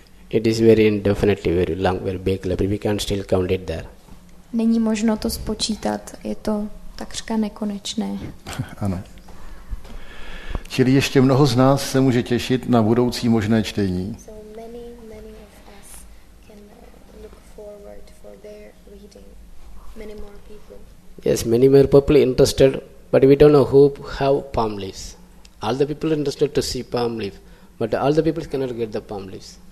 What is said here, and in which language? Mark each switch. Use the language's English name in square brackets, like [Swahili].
[English] It is very indefinitely very long, very big library. We can still count it there. [Czech] Není možno to spočítat, je to takřka nekonečné. Ano. Čili ještě mnoho z nás se může těšit na budoucí možné čtení. [English] So many, many of us can look forward for their reading. Many more people. Yes, many more people interested, but we don't know who have palm leaves. All the people interested to see palm leaf, but all the people cannot get the palm leaves.